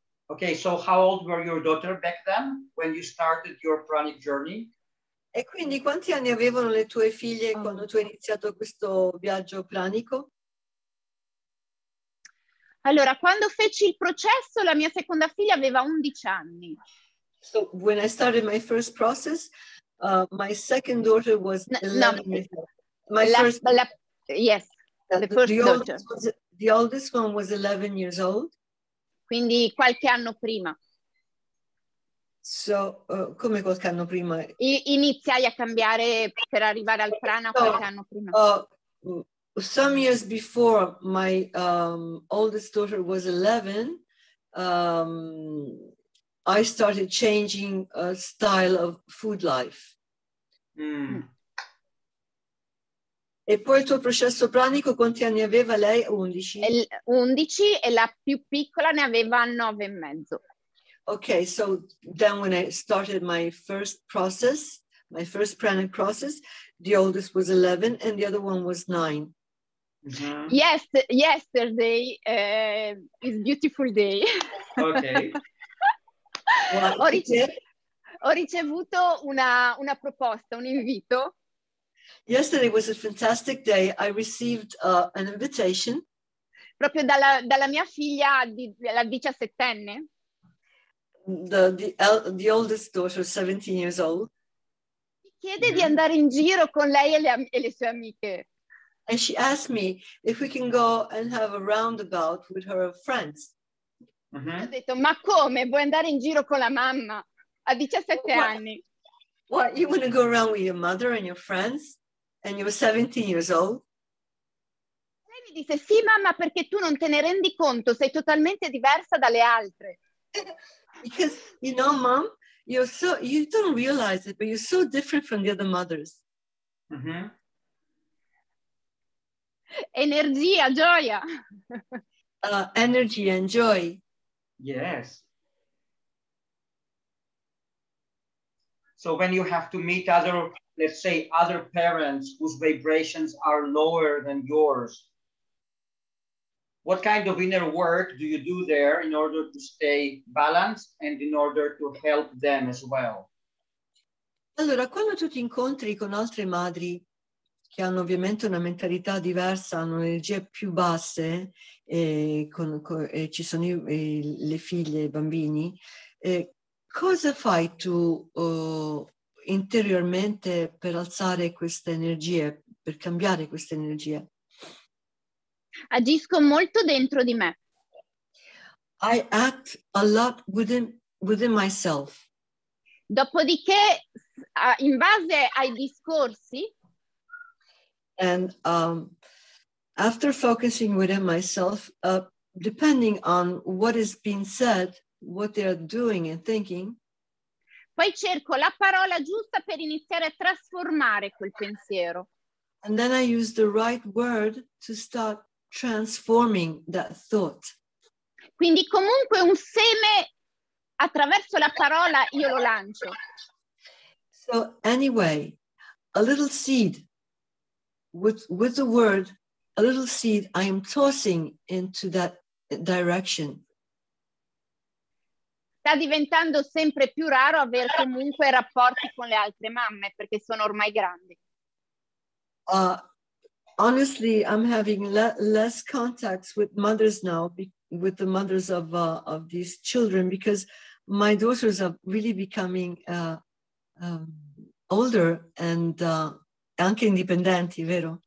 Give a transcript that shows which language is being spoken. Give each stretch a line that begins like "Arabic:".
English: Okay, so how old were your daughter back then when you started your pranic journey?
Italian: E quindi quanti anni avevano le tue figlie quando tu hai iniziato questo viaggio pranico? Allora, quando feci il processo, la mia seconda figlia aveva 11 anni.
English: So when I started my first process, my second daughter was 11. No, my la, first la, yes, the first the daughter. The oldest one was 11 years old.
Italian: Quindi qualche anno prima. So, come qualche anno prima? Iniziai a cambiare per arrivare al prana qualche anno prima.
English: Some years before my oldest daughter was 11, I started changing a style of food life. Mm.
Italian: E poi il tuo processo pranico quanti anni aveva lei? 11. 11 e la più piccola ne aveva 9 e mezzo.
English: Okay, so then when I started my first process, my first pranic process, the oldest was 11 and the other one was 9. Mm-hmm. Yes, yesterday is beautiful day. Okay.
Italian: Well, ho ricevuto una proposta, un invito.
English: Yesterday was a fantastic day. I received an invitation.
Italian: Proprio dalla mia figlia, la diciassettenne.
English: The oldest daughter, 17 years old.
Italian: Mi chiede di andare in giro con lei e le sue amiche.
English: And she asked me if we can go and have a roundabout with her friends.
Italian: Mm-hmm. Ho detto, ma come? Vuoi andare in giro con la mamma? A 17 anni.
English: What, you want to go around with your mother and your friends? And you're 17 years old?
Italian: Lei mi disse, sì mamma, perché tu non te ne rendi conto, sei totalmente diversa dalle altre.
English: Because, you know, mom, you don't realize it, but you're so different from the other mothers. Mm-hmm.
Italian: Energia, gioia.
English: Energy and joy. Yes. So when you have to meet other, let's say, other parents whose vibrations are lower than yours, what kind of inner work do you do there in order to stay balanced and in order to help them as well?
Italian: Allora, quando tu ti incontri con altre madri che hanno ovviamente una mentalità diversa, hanno energie più basse, e ci sono le figlie, i bambini, cosa fai tu interiormente per alzare queste energie, per cambiare queste energie? Agisco molto dentro di me.
English: I act a lot within myself.
Italian: Dopodiché, in base ai discorsi,
English: and after focusing within myself, depending on what is being said, what they are doing and thinking,
Italian: poi cerco la parola giusta per iniziare a trasformare quel pensiero.
English: And then I use the right word to start transforming that thought.
Italian: Quindi comunque un seme attraverso la parola io lo lancio.
English: So anyway, a little seed with the word, a little seed I am tossing into that direction.
Italian: Sta diventando sempre più raro avere comunque rapporti con le altre mamme perché sono ormai grandi.
English: Honestly, I'm having less contacts with mothers now with the mothers of these children, because my daughters are really becoming older and
Italian: anche independenti, vero?